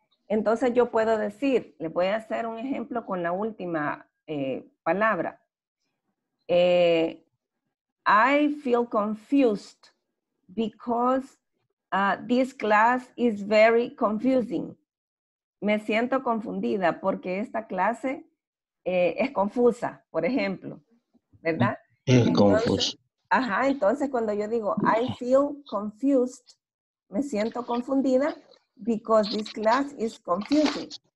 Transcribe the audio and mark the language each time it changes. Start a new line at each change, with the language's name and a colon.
Spanish: Entonces yo puedo decir, le voy a hacer un ejemplo con la última palabra.
English: I feel confused because this class is very confusing.
Spanish: Me siento confundida porque esta clase es confusa, por ejemplo, ¿verdad? Es confusa. Ajá, entonces cuando yo digo
English: I feel confused,
Spanish: me siento confundida
English: because this class is confusing.